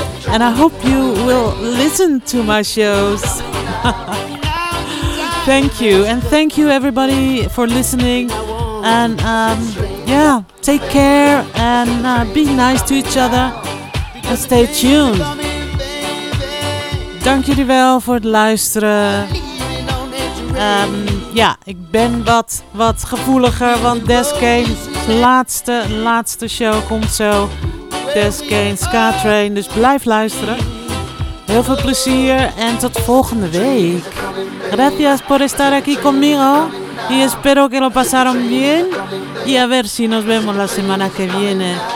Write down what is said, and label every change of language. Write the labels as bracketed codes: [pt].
[en] And I hope you will listen to my shows. Thank you. And thank you, everybody, for listening. And take care and be nice to each other. And stay tuned. [nl] Dank jullie wel voor het luisteren. Ik ben wat gevoeliger, want Des Kane's laatste show komt zo. Des Kane, Ska Train, dus blijf luisteren. Heel veel plezier en tot volgende week. [es] Gracias por estar aquí conmigo y espero que lo pasaron bien y a ver si nos vemos la semana que viene.